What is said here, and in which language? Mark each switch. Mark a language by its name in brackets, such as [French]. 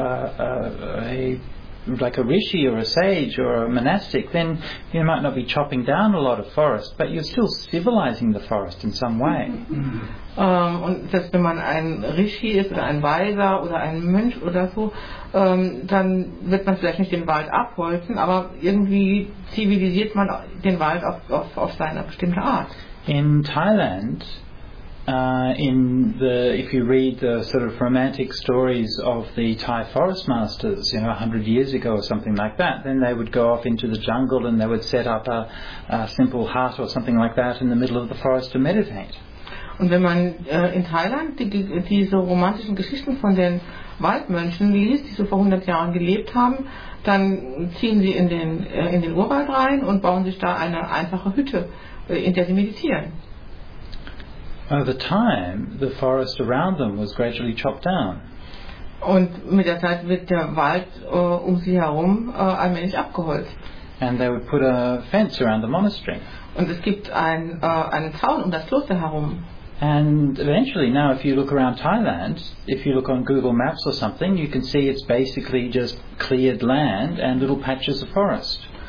[English] Even if you're a rishi or a sage or a monastic, then you might not be chopping down a lot of forest, but you're still civilizing the forest in some way. [German] Und selbst wenn man ein Rishi ist oder ein Weiser oder ein Mönch oder so, dann wird man vielleicht nicht den Wald abholzen, aber irgendwie zivilisiert man den Wald auf seine bestimmte Art. [English] In Thailand, if you read the sort of romantic stories of the Thai forest masters, you know, 100 years ago or something like that, then they would go off into the jungle and they would set up a simple hut or something like that in the middle of the forest to meditate. [German] Und wenn man in Thailand diese romantischen Geschichten von den Waldmönchen liest, die so vor 100 Jahren gelebt haben, dann ziehen sie in den Urwald rein und bauen sich da eine einfache Hütte, in der sie meditieren. [English] Over time, the forest around them was gradually chopped down. [German] Und mit der Zeit wird der Wald um sie herum allmählich abgeholzt. [English] And they would put a fence around the monastery. [German] Und es gibt einen Zaun um das Kloster herum. [English] And eventually, now if you look around Thailand, if you look on Google Maps or something, you can see it's basically just cleared land and little patches of forest.